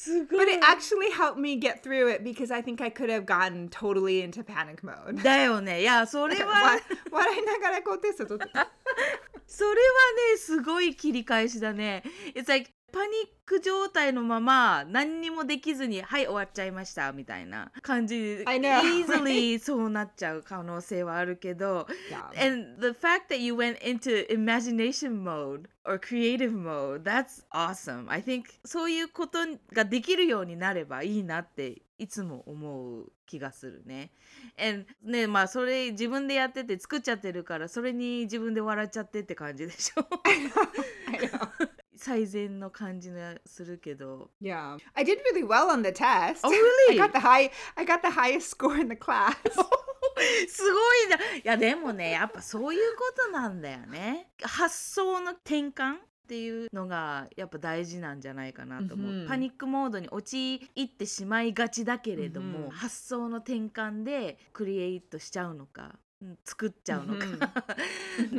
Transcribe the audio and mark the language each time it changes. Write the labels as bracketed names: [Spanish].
[English] But it actually helped me get through it because I think I could have gotten totally into panic mode. [Japanese] だよね。いや、それは笑いながらこうテスト取った。それはね、すごい切り返しだね。 [English] It's like [Japanese] パニック状態のまま何にもできずに、はい、終わっちゃいましたみたいな感じ。 [English] I know. Easily [Japanese] そうなっちゃう可能性はあるけど。 [English] Yeah. And the fact that you went into imagination mode. Or creative mode. That's awesome. I think [Japanese] そういうことができるようになればいいなっていつも思う気がするね。 And ね、まあそれ自分でやってて作っちゃってるから、それに自分で笑っちゃってって感じでしょ。 [English] I know. [Japanese] 最善の感じがするけど。 [English] Yeah. I did really well on the test. Oh, really? I got the highest score in the class. [Japanese] すごいな。いやでもね、やっぱそういうことなんだよね。発想の転換っていうのがやっぱ大事なんじゃないかなと思う、mm-hmm. パニックモードに陥ってしまいがちだけれども、mm-hmm. 発想の転換でクリエイトしちゃうのか作っちゃうのか、mm-hmm.